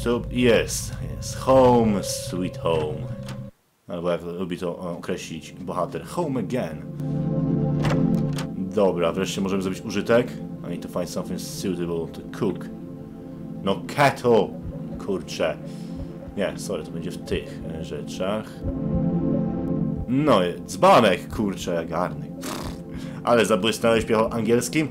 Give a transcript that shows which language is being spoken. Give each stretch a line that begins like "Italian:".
Polish: Jest, jest.
English: Home, sweet home.
Polish: Albo jak lubi to określić bohater.
English: Home again.
Polish: Dobra, wreszcie możemy zrobić użytek.
English: I need to find something suitable to cook. No kettle!
Polish: Kurcze. Nie, sorry, to będzie w tych rzeczach. No, dzbanek, kurcze, garnek. Ale zabłysnąłeś piechą angielskim?